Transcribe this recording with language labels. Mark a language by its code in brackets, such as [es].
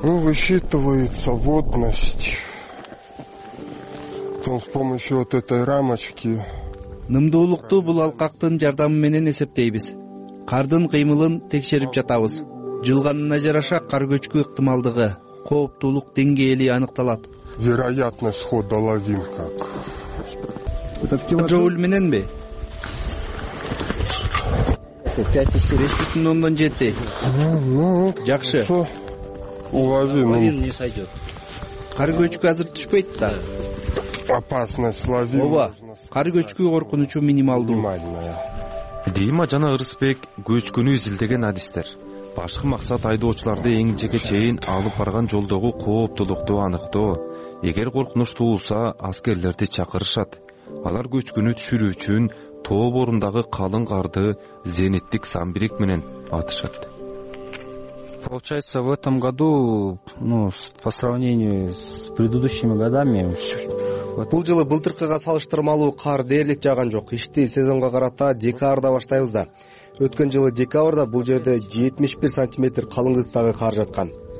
[ru] высчитывается водность. Там с помощью вот этой рамочки. [ky] Нымдуулукту бул алкактын жардамы менен эсептейбиз. Кардын кыймылын текшерип жатабыз. Жылганына жараша кар көчкү ыктымалдыгы, кооптуулук деңгээли аныкталат. [ru] Вероятность хода лавин как. [ky] Жоул мененби? 5,5,7. Жакшы. [ru] Лавин не сойдет. [ky] Кар көчкү азыр түшпөйт да. [ru] Опасность лавин. [ky] Ооба, кар көчкү коркунучу минималдуу. Дима жана Ырысбек көчкүнү изилдеген адистер. Башкы максат айдоочуларды эң жеке чейин алып барган жолдогу кооптуулукту аныктоо. Эгер коркунуч туулса, аскерлерди чакырышат. Алар көчкүнү түшүрүү үчүн тоо борундагы калың карды зениттик самбирек менен атышат. [ru] Получается, в этом году, по сравнению с предыдущими годами, [ky] бул жылы былтыркыга салыштырмалуу кар дээрлик жааган жок. Ишти сезонго карата декабрда баштайбыз да. Өткөн жылы декабрда бул жерде 71 сантиметр калыңдыктагы кар жаткан.